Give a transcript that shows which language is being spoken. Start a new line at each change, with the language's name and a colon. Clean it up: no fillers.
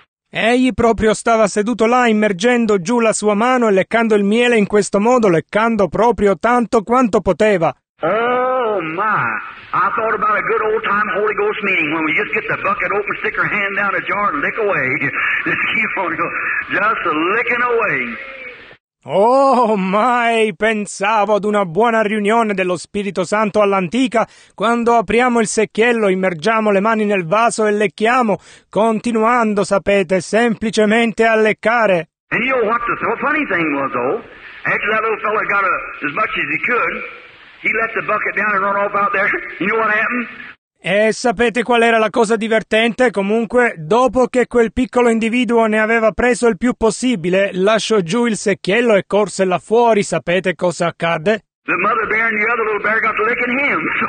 Italian: Egli proprio stava seduto là immergendo giù la sua mano e leccando il miele in questo modo, leccando proprio tanto quanto poteva.
English: Oh my, I thought about a good old time Holy Ghost meeting when we just get the bucket open, stick our hand down a jar and lick away. Just keep on just licking away.
Italian: Oh my, pensavo ad una buona riunione dello Spirito Santo all'antica quando apriamo il secchiello, immergiamo le mani nel vaso e lecchiamo, continuando, sapete, semplicemente a leccare.
English: And you know what the funny thing was though? After that little fella got as much as he could, he let the bucket down and run off out there. You know what happened?
Italian: E sapete qual era la cosa divertente? Comunque, dopo che quel piccolo individuo ne aveva preso il più possibile, lasciò giù il secchiello e corse là fuori. Sapete cosa accadde?
English: The mother bear and the other little bear got to licking him.